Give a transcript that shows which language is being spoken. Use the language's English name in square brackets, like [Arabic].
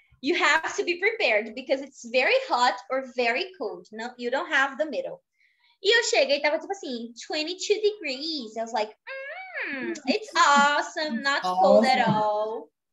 [English] You have to be prepared because it's very hot or very cold. No, you don't have the middle. [Portuguese] E eu cheguei e tava, tipo assim, 22 degrees. [English] I was like, it's awesome, not cold at all.